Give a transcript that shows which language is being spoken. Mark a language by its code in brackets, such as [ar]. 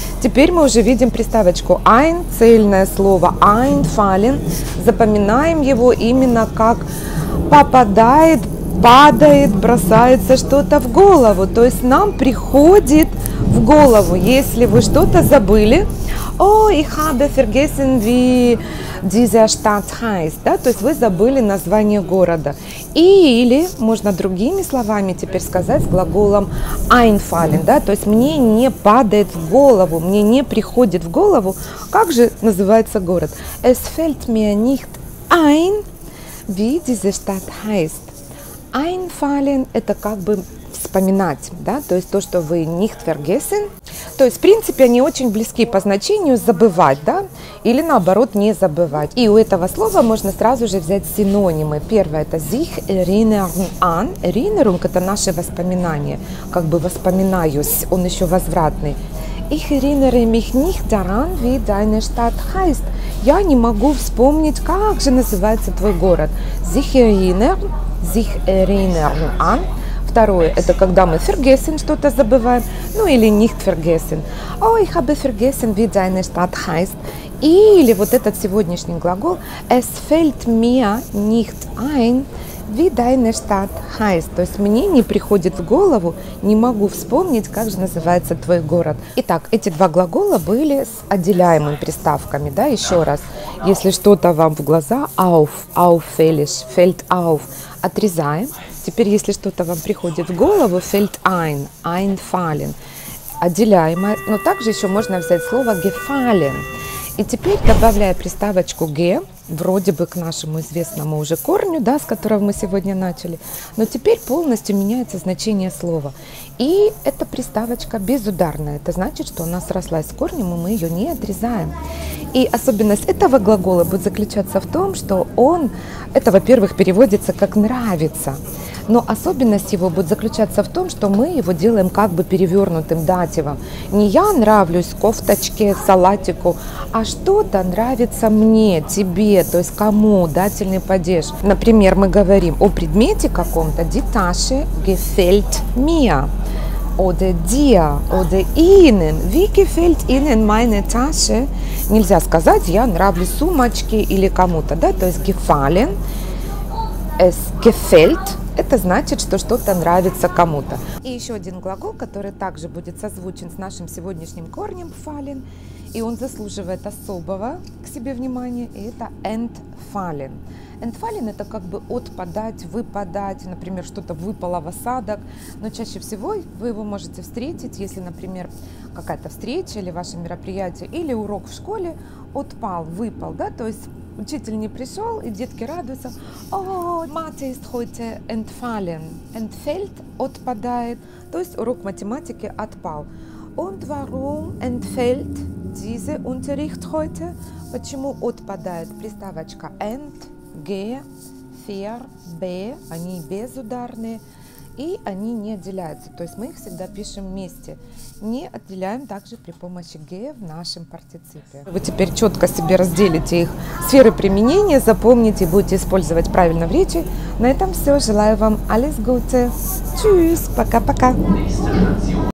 [ru] Теперь мы уже видим приставочку «ein», цельное слово «einfallen». Запоминаем его именно как «попадает», «падает», «бросается что-то в голову». То есть нам приходит в голову, если вы что-то забыли. [de] «О, ich habe vergessen, wie dieser Stadt heißt». [ru] Да? То есть вы забыли название города. Или можно другими словами теперь сказать с глаголом «einfallen». Да? То есть мне не падает в голову, мне не приходит в голову, как же называется город. [de] «Es fällt mir nicht ein, wie diese Stadt heißt». [ru] «Einfallen» – это как бы вспоминать, да? То есть то, что вы [de] «nicht vergessen». [ru] То есть, в принципе, они очень близки по значению «забывать», да? Или наоборот «не забывать». И у этого слова можно сразу же взять синонимы. Первое – это «sich erinnern an». «Erinnerung» – это наши воспоминания, как бы «воспоминаюсь», он еще возвратный. [de] «Ich erinnere mich nicht daran, wie deine Stadt heißt». [ru] «Я не могу вспомнить, как же называется твой город». [de] «Sich erinnern», «sich erinnern an». [ru] Второе – это когда мы «vergessen» что-то забываем, ну или «nicht vergessen». [de] «Oh, ich habe vergessen, wie deine Stadt heißt». [ru] Или вот этот сегодняшний глагол [de] «es fällt mir nicht ein, wie deine Stadt heißt». [ru] То есть мне не приходит в голову, не могу вспомнить, как же называется твой город. Итак, эти два глагола были с отделяемыми приставками. Да, еще раз, если что-то вам в глаза «auf», «auffällig», «fällt auf», отрезаем. Теперь, если что-то вам приходит в голову, fällt ein, einfallen, отделяемое. Но также еще можно взять слово gefallen. И теперь, добавляя приставочку ge, вроде бы к нашему известному уже корню, да, с которого мы сегодня начали, но теперь полностью меняется значение слова. И эта приставочка безударная. Это значит, что она срослась с корнем, и мы ее не отрезаем. И особенность этого глагола будет заключаться в том, что он, это, во-первых, переводится как «нравится». Но особенность его будет заключаться в том, что мы его делаем как бы перевернутым дативом. Не «я нравлюсь кофточке, салатику», а «что-то нравится мне, тебе», то есть «кому», дательный падеж. Например, мы говорим о предмете каком-то [de] «die Tasche gefällt mir» oder «dir» oder «ihnen». «Wie gefällt Ihnen meine Tasche?» [ru] Нельзя сказать «я нравлюсь сумочке» или кому-то, да, то есть «gefallen», «es gefällt». Это значит, что что-то нравится кому-то. И еще один глагол, который также будет созвучен с нашим сегодняшним корнем fallen. И он заслуживает особого к себе внимания, и это entfallen. Entfallen – это как бы отпадать, выпадать, например, что-то выпало в осадок, но чаще всего вы его можете встретить, если, например, какая-то встреча или ваше мероприятие, или урок в школе отпал, выпал, да, то есть учитель не пришел, и детки радуются. [de] О, Mathe ist heute entfallen. [ru] Entfällt – отпадает. То есть урок математики отпал. [de] Und warum entfällt diese Unterricht heute? [ru] Почему отпадает приставочка ent, ge, fer, be? Они безударные, и они не отделяются. То есть мы их всегда пишем вместе. Не отделяем также при помощи ge в нашем партиципе. Вы теперь четко себе разделите их сферы применения, запомните и будете использовать правильно в речи. На этом все. Желаю вам [de] alles Gute. Tschüss. [ru] Пока-пока.